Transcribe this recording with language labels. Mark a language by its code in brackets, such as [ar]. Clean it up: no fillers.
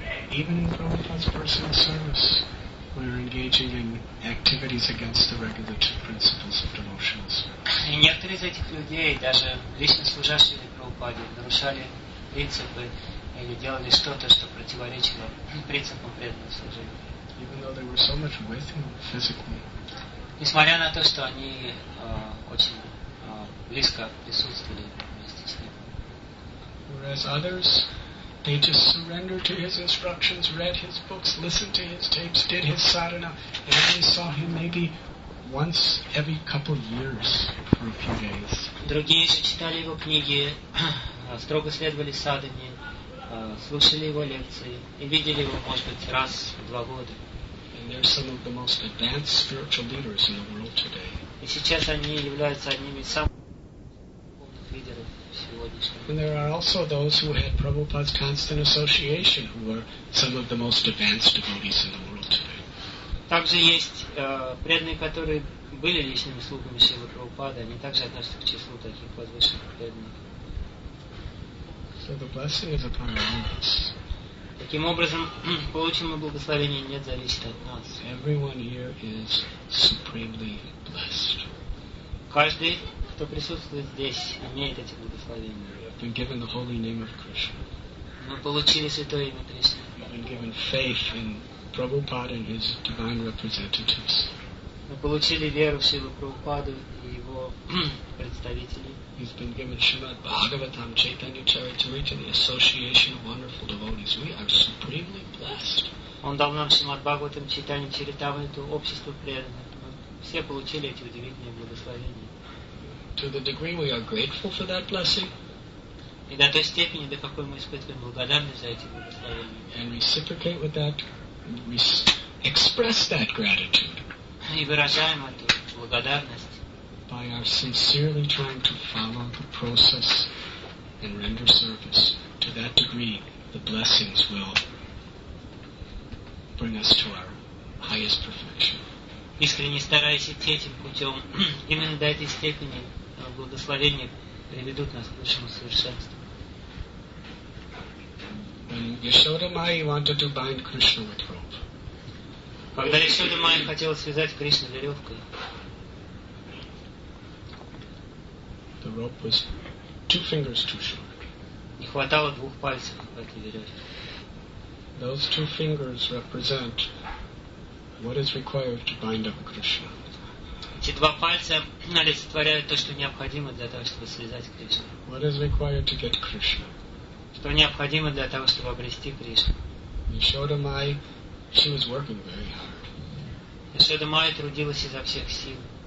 [ru] И некоторые из этих людей, даже лично служащие Прабхупаде, нарушали принципы или делали что-то, что противоречило принципам преданного служения. [en] Even though they were so much with him physically. [ru] Несмотря на то, что они очень близко присутствовали вместе с ним. [en] Whereas others, they just surrendered to his instructions, read his books, listened to his tapes, did his sadhana, and only saw him maybe once every couple of years for a few days. [ru] Другие же читали его книги, строго следовали садхане, слушали его лекции и видели его, может быть, раз в два года. [en] They're some of the most advanced spiritual leaders in the world today. [ru] И сейчас они являются одними из самых умных лидеров сегодняшнего. [en] And there are also those who had Prabhupada's constant association, who were some of the most advanced devotees in the world today. [ru] Также есть преданные, которые были личными слугами Шрилы Прабхупады, они также относятся к числу таких возвышенных преданных. [en] So the blessing is upon all of us. [ru] Таким образом, получим мы благословение, нет, зависит от нас. [en] Everyone here is supremely blessed. [ru] Каждый, кто присутствует здесь, имеет эти благословения. [en] We have been given the holy name of Krishna. [ru] Мы получили святое имя Кришны. [en] We have been given faith in Prabhupada and his divine representatives. [ru] Мы получили веру в Шрилу Прабхупаду и его представителей. [en] He's been given Srimad Bhagavatam, Chaitanya Charitamrita, the association of wonderful devotees. We are supremely blessed. [ru] Он дал нам Шримад Бхагаватам, Чайтанья Чаритамриту, общество преданных. Мы все получили эти удивительные благословения. [en] To the degree we are grateful for that blessing. [ru] И до той степени, до какой мы испытываем благодарность за эти благословения. [en] And reciprocate with that, we express that gratitude. [ru] И выражаем эту благодарность. [en] By our sincerely trying to follow the process and render service, to that degree, the blessings will bring us to our highest perfection. [ru] Искренне стараясь идти этим путем, именно до этой степени благословения приведут нас к высшему совершенству. [en] When Yashoda Mai wanted to bind Krishna with rope, [ru] когда Yashoda Mai хотела связать Кришну веревкой. [en] The rope was two fingers too short. [ru] Не хватало двух пальцев в этой веревке. [en] Those two fingers represent what is required to bind up Krishna. [ru] Эти два пальца олицетворяют то, что необходимо для того, чтобы связать Кришну. [en] What is required to get Krishna? [ru] Что необходимо для того, чтобы обрести Кришну? [en] Yashoda Mai, she was working very hard. [ru] Yashoda Mai трудилась изо всех сил.